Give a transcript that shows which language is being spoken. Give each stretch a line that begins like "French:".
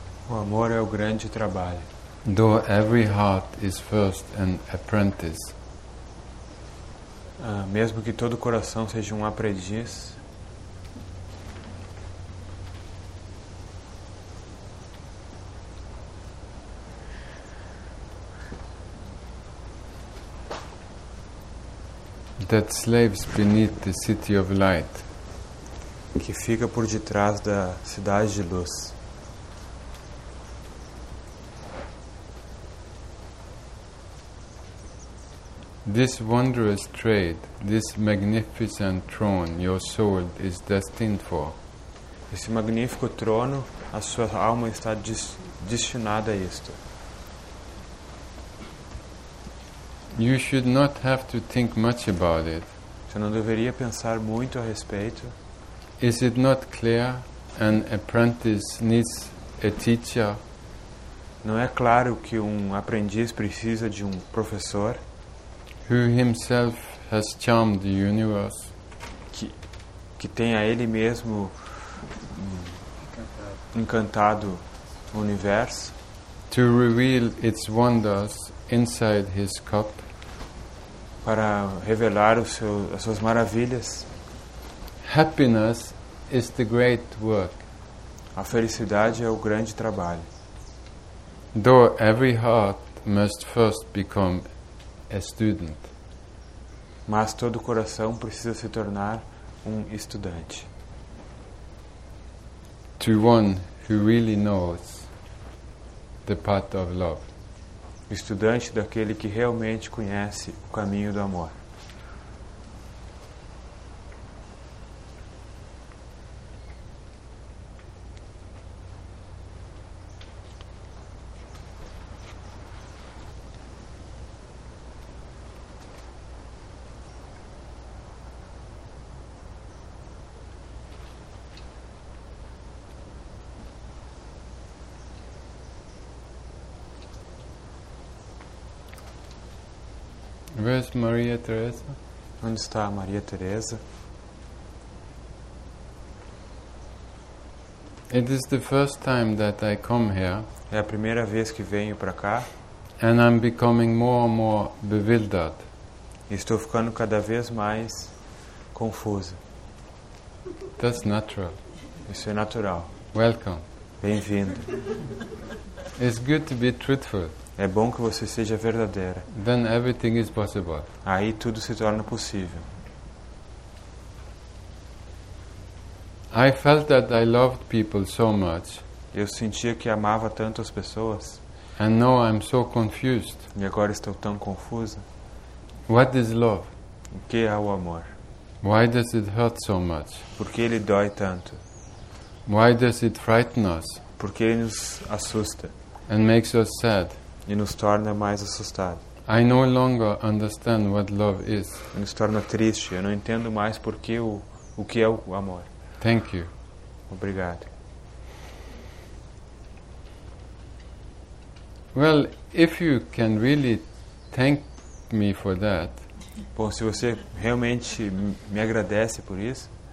Portuguese: O amor é o grande trabalho.
English: Though every heart is first an apprentice.
Portuguese: Mesmo que todo coração seja um aprendiz.
English: That slaves beneath the city of light.
Portuguese: Que fica por detrás da cidade de luz.
English: This wondrous trade, this magnificent throne your soul is destined for.
Portuguese: Esse magnífico trono, a sua alma está destinada a isto.
English: You should not have to think much about it.
Portuguese: Você não deveria pensar muito a respeito.
English: Is it not clear an apprentice needs a teacher?
Portuguese: Não é claro que aprendiz precisa de professor?
English: Who himself has charmed the universe?
Portuguese: Que tem a ele mesmo encantado o universo?
English: To reveal its wonders inside his cup.
Portuguese: Para revelar as suas maravilhas.
English: Happiness is the great work.
Portuguese: A felicidade é o grande trabalho.
English: Though every heart must first become a student.
Portuguese: Mas todo coração precisa se tornar estudante.
English: To one who really knows the path of love.
Portuguese: Estudante daquele que realmente conhece o caminho do amor.
English: Where's Maria Teresa?
Portuguese: Onde está a Maria Teresa?
English: It is the first time that I come here.
Portuguese: É a primeira vez que venho para cá.
English: And I'm becoming more and more bewildered.
Portuguese: Estou ficando cada vez mais confusa.
English: That's natural.
Portuguese: Isso é natural.
English: Welcome.
Portuguese: Bem-vindo.
English: It's good to be truthful.
Portuguese: É bom que você seja verdadeira.
English: Then everything is possible.
Portuguese: Aí tudo se torna possível.
English: I felt that I loved people so much.
Portuguese: Eu sentia que amava tanto as pessoas.
English: And now I'm so confused.
Portuguese: E agora estou tão confusa.
English: What is love?
Portuguese: O que é o amor?
English: Why does it hurt so much?
Portuguese: Por que ele dói tanto?
English: Why does it frighten us?
Portuguese: Por que ele nos assusta?
English: And makes us sad.
Portuguese: E nos torna mais assustado.
English: I no longer understand what love is.
Portuguese: E nos torna triste. Eu não entendo mais porque o que é o amor.
English: Thank you.
Portuguese: Obrigado.
English: Well, if you can really thank me for that.
Portuguese: Bom, se você realmente me agradece por isso.